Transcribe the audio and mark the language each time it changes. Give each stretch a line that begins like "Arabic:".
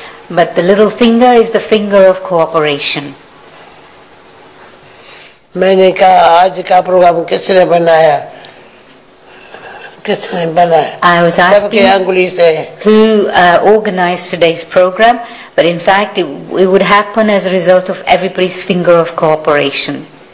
English: But the little finger is the finger of cooperation.
Hindi: मैंने कहा आज का प्रोग्राम किसने बनाया? किसने बनाया?
English: I was asking.
Hindi: सबके अंगुली से.
English: Who organized today's program? But in fact, it would happen as a result of everybody's finger of cooperation.